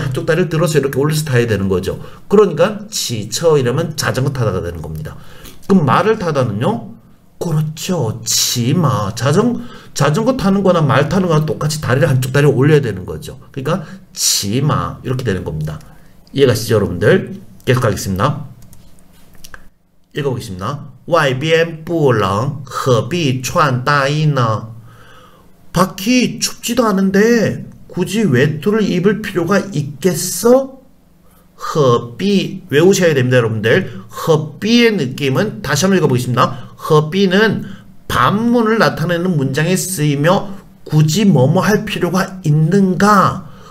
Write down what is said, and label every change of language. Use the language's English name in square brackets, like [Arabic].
[Korean] 한쪽 다리를 들어서 이렇게 올려서 타야 되는 거죠. 그러니까 지쳐 이러면 자전거 타다가 되는 겁니다. 그럼 말을 타다는요? 그렇죠. 지마. 자전거 타는 거나 말 타는 거나 똑같이 다리를 한쪽 다리를 올려야 되는 거죠. 그러니까 지마 이렇게 되는 겁니다. 이해가시죠 여러분들? 계속 가겠습니다. 읽어보겠습니다. [Chinese] 外边不冷，何必穿大衣呢？ [Korean] 밖이 춥지도 않은데 굳이 외투를 입을 필요가 있겠어? 허비 외우셔야 됩니다 여러분들. 허비의 느낌은 다시 한번 읽어보겠습니다. 허비는 반문을 나타내는 문장에 쓰이며 굳이 뭐뭐 할 필요가 있는가?